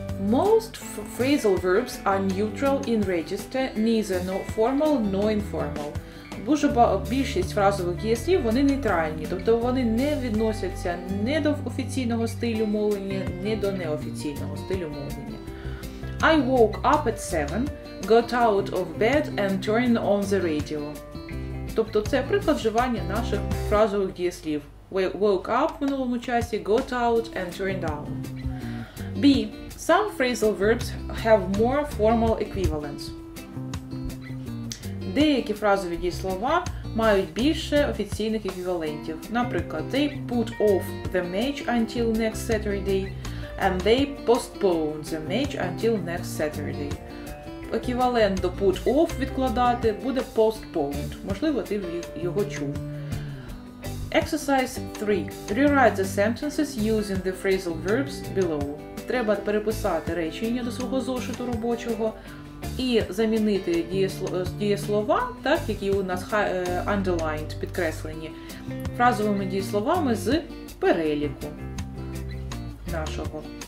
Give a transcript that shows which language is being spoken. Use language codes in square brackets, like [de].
[en] Most phrasal verbs are neutral in register, neither no formal nor informal. [uk] Більшість фразових дієслів, вони нейтральні, тобто вони не відносяться ні до офіційного стилю мовлення, ні до неофіційного стилю мовлення. [en] I woke up at 7, got out of bed and turned on the radio. [uk] Тобто це приклад вживання наших фразових дієслів. [en] We woke up [uk] в минулому часі, [en] got out and turned on. B. Some phrasal verbs have more formal equivalents. [uk] Деякі фразові дієслова мають більше офіційних еквівалентів. [en] Наприклад, they put off the match until next Saturday and they postponed the match until next Saturday. [uk] Еквівалент до put off відкладати буде postponed. Можливо, ти його чув. [en] Exercise 3. Rewrite the sentences using the phrasal verbs below. [uk] Треба переписати речення до свого зошиту робочого і замінити дієслова, так, які у нас underlined, підкреслені, фразовими дієсловами з переліку нашого.